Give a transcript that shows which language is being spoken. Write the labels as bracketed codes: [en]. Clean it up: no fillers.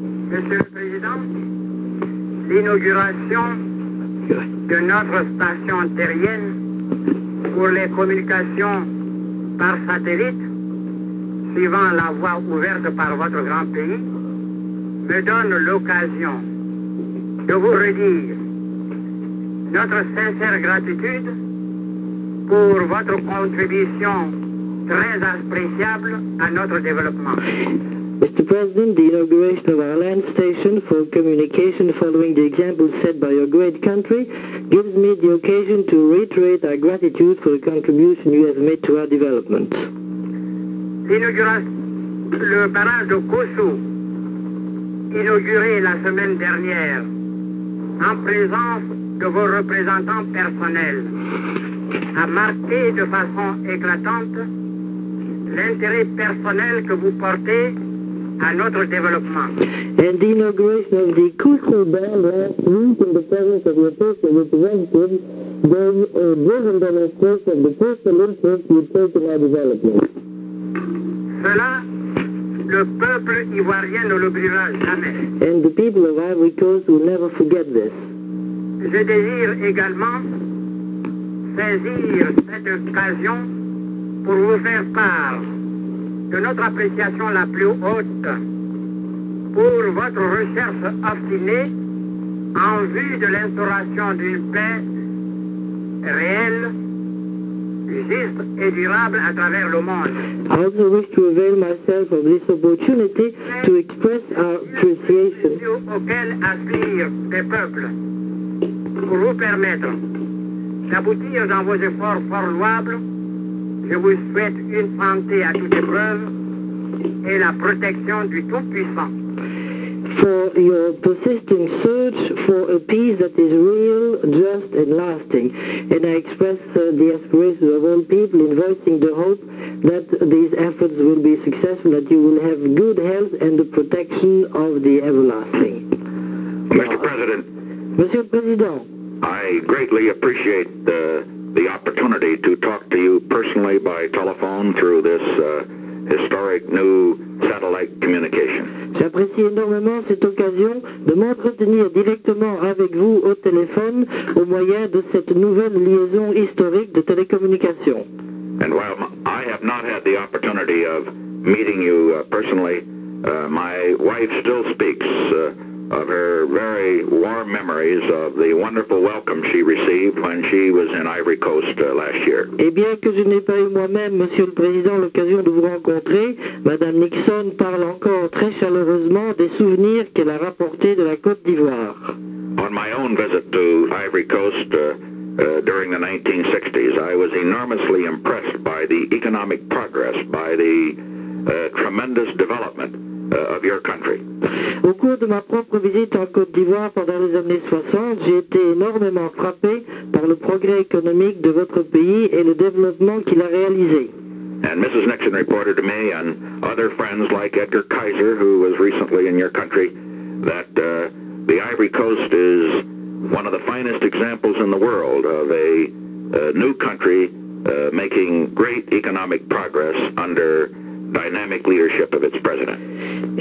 [fr] Monsieur le président, l'inauguration de notre station terrienne pour les communications par satellite, suivant la voie ouverte par votre grand pays, me donne l'occasion de vous redire notre sincère gratitude pour votre contribution très appréciable à notre développement. [en] Mr. President, the inauguration of our land station for communication following the example set by your great country gives me the occasion to reiterate our gratitude for the contribution you have made to our development. [fr] Le barrage de Kossou, inauguré la semaine dernière, en présence de vos représentants personnels, a marqué de façon éclatante l'intérêt personnel que vous portez à notre développement. [en] And the inauguration of the Kossou Band last week in the presence of your personal representative was a driven demonstration of the personal interest you take in our development. [fr] Cela, le peuple ivoirien ne l'oubliera jamais. [en] And the people of Ivory Coast will never forget this. [fr] Je désire également saisir cette occasion pour vous faire part de notre appréciation la plus haute pour votre recherche obstinée en vue de l'instauration d'une paix réelle, juste et durable à travers le monde. [en] I also wish to avail myself of this opportunity to express our appreciation. [fr] Auquel aspirent les peuples pour vous permettre d'aboutir dans vos efforts fort louables. Je vous souhaite une santé à toute épreuve et la protection du Tout-Puissant. [en] For your persistent search for a peace that is real, just and lasting. And I express the aspirations of all people in voicing the hope that these efforts will be successful, that you will have good health and the protection of the everlasting. [fr] Monsieur le Président. [en] I greatly appreciate the opportunity to talk to you personally by telephone through this historic new satellite communication. [fr] J'apprécie énormément cette occasion de m'entretenir directement avec vous au téléphone au moyen de cette nouvelle liaison historique de télécommunication. [en] And while I have not had the opportunity of meeting you personally, my wife still speaks of her very warm memories of the wonderful welcome she received when she was in Ivory Coast last year. [fr] Et bien que je n'ai pas eu moi-même, Monsieur le Président, l'occasion de vous rencontrer, Madame Nixon parle encore très chaleureusement des souvenirs qu'elle a rapportés de la Côte d'Ivoire. [en] On my own visit to Ivory Coast during the 1960s, I was enormously impressed by the economic progress, by the tremendous development of your country. [fr] Au cours de ma propre visite en Côte d'Ivoire pendant les années 60, j'ai été énormément frappé par le progrès économique de votre pays et le développement qu'il a réalisé. [en] And Mrs. Nixon reported to me and other friends like Edgar Kaiser, who was recently in your country, that the Ivory Coast is one of the finest examples in the world of a new country making great economic progress under dynamic leadership of its president.